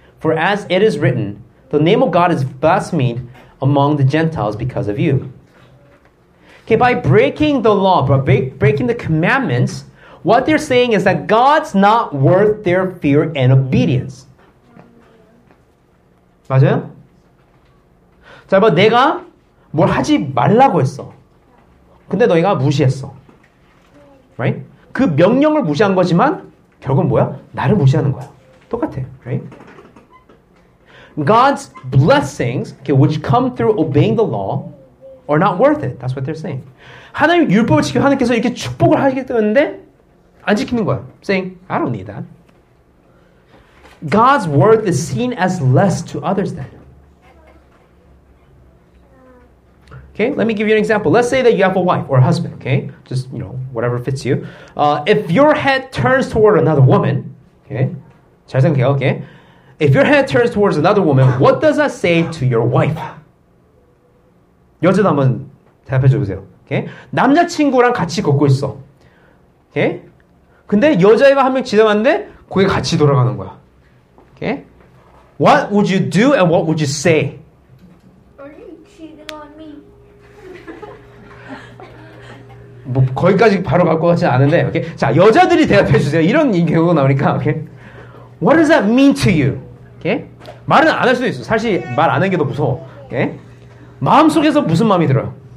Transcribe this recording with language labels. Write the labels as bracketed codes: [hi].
[en] For as it is written, the name of God is blasphemed among the Gentiles because of you. Okay, by breaking the law, by breaking the commandments, what they're saying is that God's not worth their fear and obedience. [ko] 맞아요? 자, 봐, 내가 뭘 하지 말라고 했어. 근데 너희가 무시했어. Right? 그 명령을 무시한 거지만 결국은 뭐야? 나를 무시하는 거야. 똑같아. Right? [en] God's blessings, okay, which come through obeying the law, are not worth it. That's what they're saying. [ko] 하나님 율법을 지켜 하나님께서 이렇게 축복을 하시겠는데 안 지키는 거야. [en] Saying, I don't need that. God's worth is seen as less to others then. Okay, let me give you an example. Let's say that you have a wife or a husband, okay? Just, you know, whatever fits you. If your head turns toward another woman, okay? [ko] 잘 생각해, [en] okay? If your head turns towards another woman, what does that say to your wife? [ko] 여자도 한번 대답해 줘보세요. [en] Okay? [ko] 남자친구랑 같이 걷고 있어. [en] Okay? [ko] 근데 여자애가 한 명 지나갔는데 거기 같이 돌아가는 거야. [en] Okay? What would you do and what would you say? Are you cheating on me? [ko] 뭐 거기까지 바로 갈 것 같진 않은데. [en] Okay? [ko] 자, 여자들이 대답해 주세요. 이런 경우가 나오니까. [en] Okay? What does that mean to you? Okay? [ko] 말은 안 할 수도 있어. 사실 말 안 하는 게 더 무서워. [en] Okay? [ko] 마음속에서 무슨 마음이 들어요?